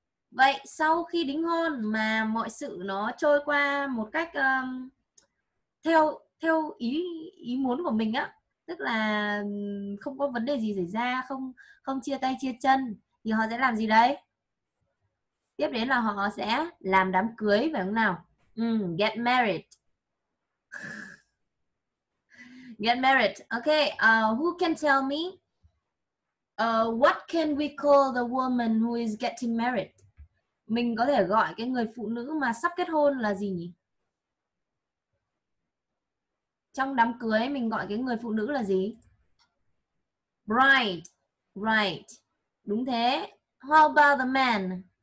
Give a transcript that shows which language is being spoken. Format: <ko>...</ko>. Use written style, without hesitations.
<vi>Vậy sau khi đính hôn mà mọi sự nó trôi qua một cách theo ý muốn của mình á, tức là không có vấn đề gì xảy ra, không chia tay chia chân, thì họ sẽ làm gì đấy? Tiếp đến là họ sẽ làm đám cưới phải không nào?</vi> <en>Get married. Get married. Okay, who can tell me what can we call the woman who is getting married?</en> <vi>Mình có thể gọi cái người phụ nữ mà sắp kết hôn là gì nhỉ? Trong đám cưới mình gọi cái người phụ nữ là gì?</vi> <en>Bride. Right.</en> <vi>Đúng thế.</vi> <en>How about the man?</en>